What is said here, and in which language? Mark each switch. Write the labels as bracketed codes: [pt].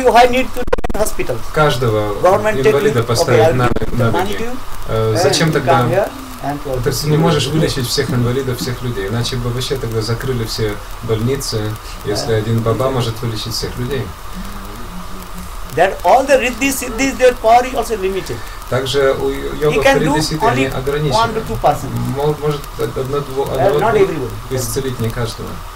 [ru] Не можешь каждого инвалида поставить на ноги. Зачем тогда? То есть ты не можешь вылечить всех инвалидов, всех людей. Иначе бы вообще тогда закрыли все больницы, если один баба может вылечить всех людей. [en] That all the riddhi siddhis, their power is also limited. [ru] Также у йога riddhi siddhi они ограничены. Может одного исцелить не каждого.